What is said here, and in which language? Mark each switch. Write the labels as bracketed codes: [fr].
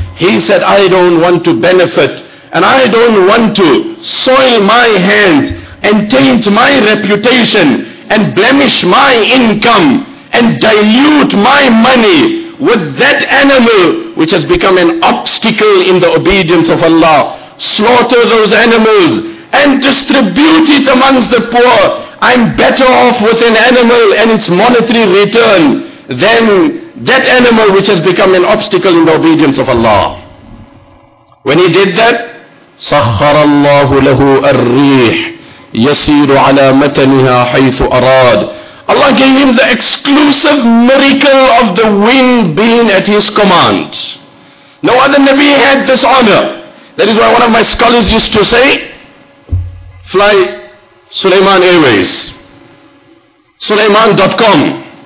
[en] He said, I don't want to benefit and I don't want to soil my hands and taint my reputation and blemish my income and dilute my money with that animal which has become an obstacle in the obedience of Allah. Slaughter those animals and distribute it amongst the poor. I'm better off with an animal and its monetary return than that animal which has become an obstacle in the obedience of Allah. When he did that, [ar] سَخَّرَ اللَّهُ لَهُ الْرِّيحِ يَسِيرُ عَلَى مَتَنِهَا حَيْثُ أَرَادُ. [en] Allah gave him the exclusive miracle of the wind being at his command. No other Nabi had this honor. That is why one of my scholars used to say, fly Sulaiman Airways, Sulaiman.com.